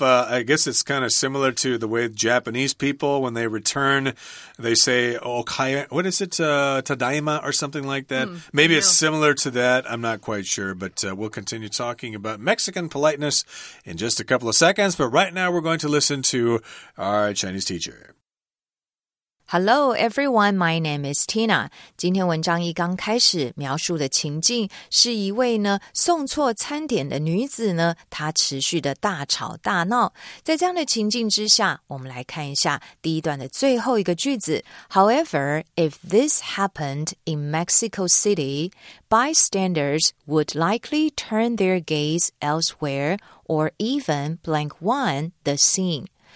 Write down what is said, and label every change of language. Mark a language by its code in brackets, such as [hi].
[en] I guess it's kind of similar to the way Japanese people, when they return, they say, tadaima or something like that. Maybe it's similar to that. I'm not quite sure. But we'll continue talking about Mexican politeness in just a couple of seconds. But right now, we're going to listen to our Chinese teacher. Hello, everyone. My name is Tina. [zh] 今天文章一刚开始描述的情境是一位呢送错餐点的女子呢，她持续的大吵大闹。在这样的情境之下，我们来看一下第一段的最后一个句子。 [en] However, if this happened in Mexico City, bystanders would likely turn their gaze elsewhere or even blank one the scene.